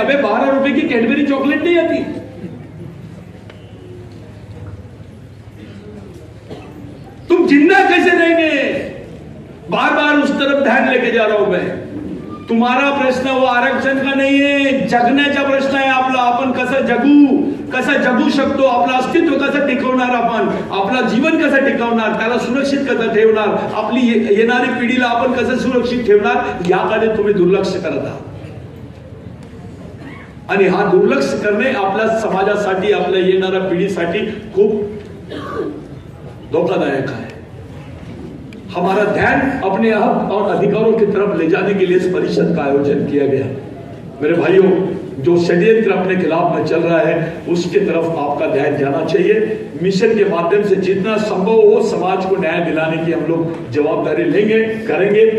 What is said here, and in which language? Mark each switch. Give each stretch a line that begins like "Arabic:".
Hindi: अबे 12 रुपए की कैडबरी चॉकलेट नहीं आती? तुम जिंदा कैसे रहेंगे? बार बार उस तरफ ध्यान लेके जा रहा हूं मैं, तुम्हारा प्रश्न वो आरक्षण का नहीं है,
Marathi: जगण्याचा प्रश्न है आपला। आपण कसं जगू, कसं जगू शकतो, आपलं अस्तित्व कसं टिकवणार, आपण आपला जीवन कसं टिकवणार, त्याला सुरक्षित कसं ठेवणार, आपली येणारी पिढीला आपण कसं सुरक्षित ठेवणार, याकडे तुम्ही दुर्लक्ष करत आहात। आणि हा दुर्लक्ष करणे आपल्या समाजासाठी, आपल्या येणाऱ्या पिढीसाठी खूप धोकादायक आहे।
Hindi: हमारा ध्यान अपने हक और अधिकारों की तरफ ले जाने के लिए इस परिषद का आयोजन किया गया। मेरे भाइयों, जो षड्यंत्र अपने खिलाफ में चल रहा है उसके तरफ आपका ध्यान जाना चाहिए। मिशन के माध्यम से जितना संभव हो समाज को न्याय दिलाने की हम लोग जवाबदारी लेंगे, करेंगे।